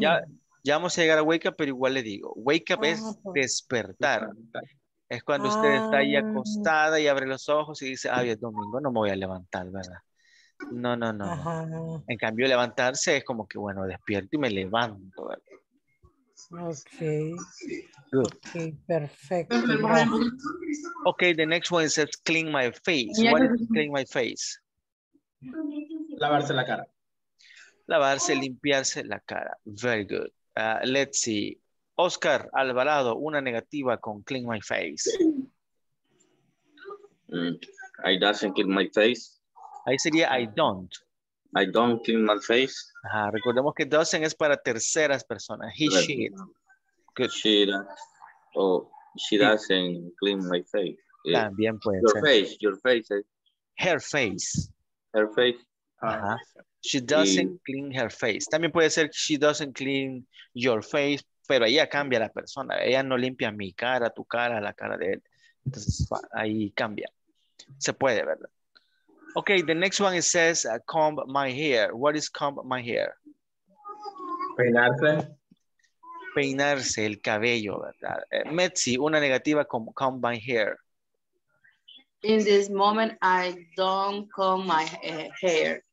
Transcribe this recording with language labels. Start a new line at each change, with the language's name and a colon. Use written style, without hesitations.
Spanish: Ya vamos a llegar a wake up, pero igual le digo. Wake up es despertar. Es cuando usted está ahí acostada y abre los ojos y dice, ay, es domingo, no me voy a levantar, ¿verdad? No. Ajá. En cambio, levantarse es como que, bueno, despierto y me levanto, ¿verdad? Okay.
English: Good. Okay, perfect. Okay, the next one says clean my face. What is clean my face?
Spanish: Lavarse la cara. Lavarse, limpiarse la cara.
English: Very good. Let's see.
Spanish: Oscar Alvarado, una negativa con
English: clean my face. I doesn't clean my face.
Spanish: Ahí sería
English: I don't. I don't clean my face.
Spanish: Ajá, recordemos que doesn't es para terceras personas. He, she.
English: Good. She, she doesn't clean my face.
Spanish: También puede
English: your
Spanish: ser.
English: Your face. Her face. Her face.
Spanish: Ajá.
English: She doesn't clean her face.
Spanish: También puede ser
English: she doesn't clean your face,
Spanish: pero ella cambia la persona. Ella no limpia mi cara, tu cara, la cara de él. Entonces ahí cambia. Se puede, ¿verdad?
English: Okay, the next one, it says, comb my hair. What is comb my hair?
Spanish: Peinarse. Peinarse el cabello, ¿verdad? Metzi, una negativa con
English: comb my hair. In this moment, I don't comb my hair.